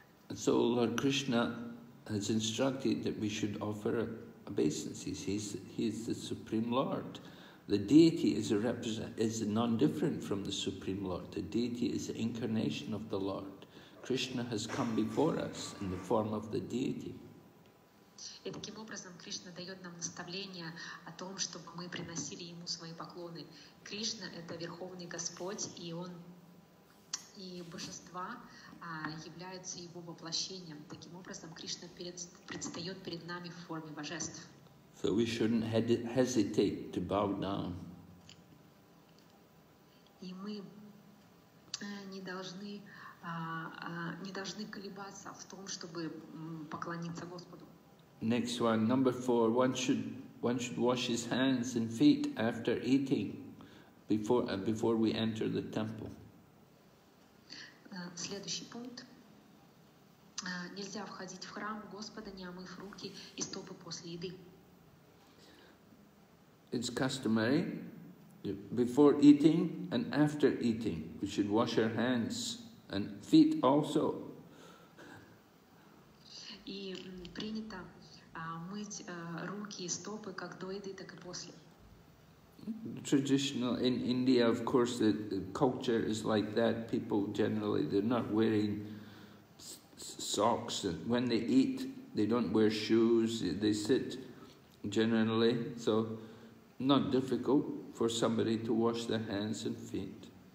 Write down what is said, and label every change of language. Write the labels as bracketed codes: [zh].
[en] And so Lord Krishna has instructed that we should offer obeisances. He is the Supreme Lord. The deity is non-different from the Supreme Lord. The deity is the incarnation of the Lord. Krishna has come before us in the form of the deity. [ru] И таким образом Кришна дает нам наставление о том, чтобы мы приносили ему свои поклоны. Кришна — это Верховный Господь, и он и божества являются его воплощением. Таким образом Кришна предстает перед нами в форме божеств. [en] So we shouldn't hesitate to bow down. [ru] И мы не должны колебаться в том, чтобы поклониться Господу. [en] Next one, number four. One should wash his hands and feet after eating, before we enter the temple. [ru] следующий пункт. Нельзя входить в храм Господа, не омыв руки и стопы после еды. [en] It's customary before eating and after eating. We should wash our hands and feet also. [ru] И принято мыть руки и стопы как до еды, так и после. [en] Traditional in India, of course, the culture is like that. People generally, they're not wearing socks. When they eat, they don't wear shoes. They sit generally. So not difficult for somebody to wash their hands and feet.